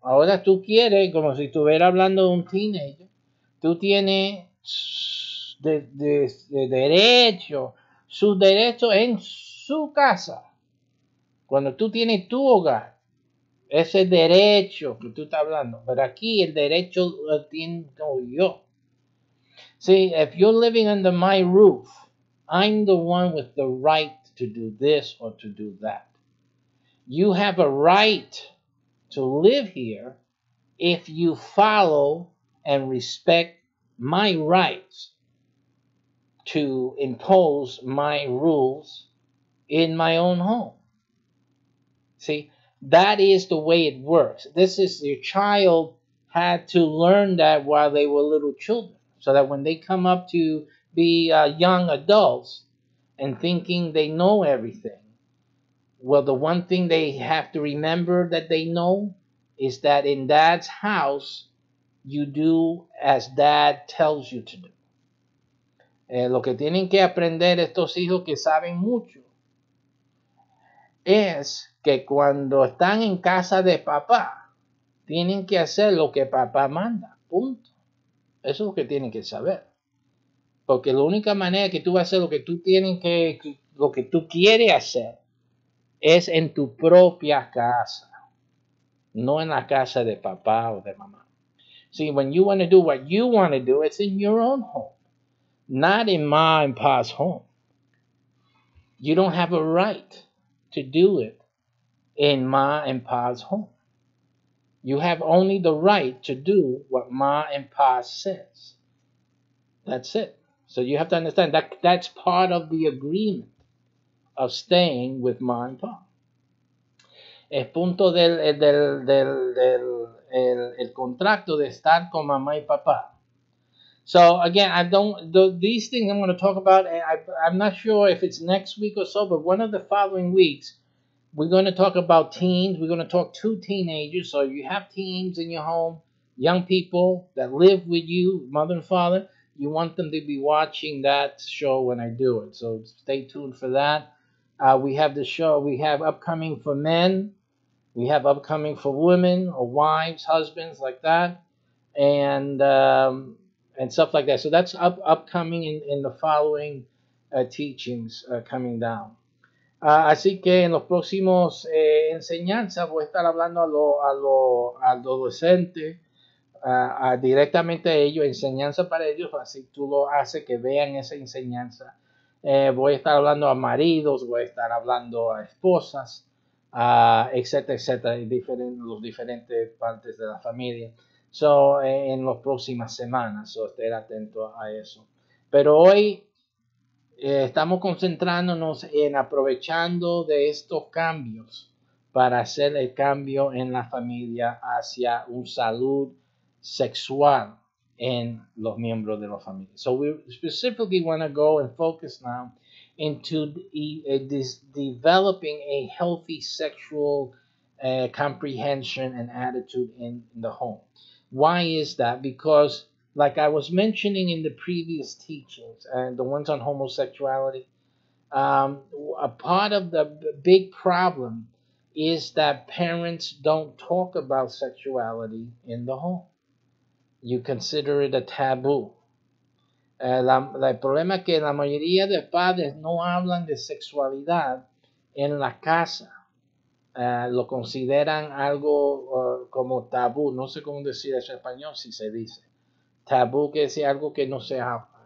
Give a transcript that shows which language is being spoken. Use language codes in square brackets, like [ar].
[es] Ahora tú quieres, como si estuviera hablando de un teenager, tú tienes de derecho, su derecho en su casa. Cuando tú tienes tu hogar, ese derecho que tú estás hablando, pero aquí el derecho lo tengo yo. [en] See, if you're living under my roof, I'm the one with the right to do this or to do that. You have a right to live here if you follow and respect my rights to impose my rules in my own home. See, that is the way it works. This is your child had to learn that while they were little children, so that when they come up to be young adults and thinking they know everything, well, the one thing they have to remember that they know is that in dad's house, you do as dad tells you to do. [es] Lo que tienen que aprender estos hijos que saben mucho es que cuando están en casa de papá, tienen que hacer lo que papá manda, punto. Eso es lo que tienen que saber. Porque la única manera que tú vas a hacer lo que tú quieres hacer, es en tu propia casa, no en la casa de papá o de mamá. [en] See, when you want to do what you want to do, it's in your own home, not in my and pa's home. You don't have a right to do it in Ma and Pa's home. You have only the right to do what Ma and Pa says. That's it. So you have to understand that that's part of the agreement of staying with Ma and Pa. [es] El punto del contrato de estar con mamá y papá. [en] So again, these things I'm going to talk about, I'm not sure if it's next week or so, but one of the following weeks, we're going to talk about teens. We're going to talk to teenagers. So you have teens in your home, young people that live with you, mother and father. You want them to be watching that show when I do it. So stay tuned for that. We have the show. We have upcoming for men. We have upcoming for women or wives, husbands like that. And stuff like that. So that's upcoming in the following teachings coming down. [es] Así que en los próximos enseñanzas voy a estar hablando a los adolescentes, directamente a ellos, enseñanza para ellos, así tú lo haces que vean esa enseñanza. Voy a estar hablando a maridos, voy a estar hablando a esposas, etcétera, etcétera, los diferentes partes de la familia. So, en las próximas semanas, so estar atento a eso. Pero hoy estamos concentrándonos en aprovechando de estos cambios para hacer el cambio en la familia hacia un salud sexual en los miembros de la familia. [en] So we specifically want to go and focus now into developing a healthy sexual comprehension and attitude in the home. Why is that? Because like I was mentioning in the previous teachings, and the ones on homosexuality, a part of the big problem is that parents don't talk about sexuality in the home. You consider it a taboo. [es] El problema es que la mayoría de padres no hablan de sexualidad en la casa. lo consideran algo como tabú. No sé cómo decir eso en español, si se dice. Tabú que es algo que no se habla.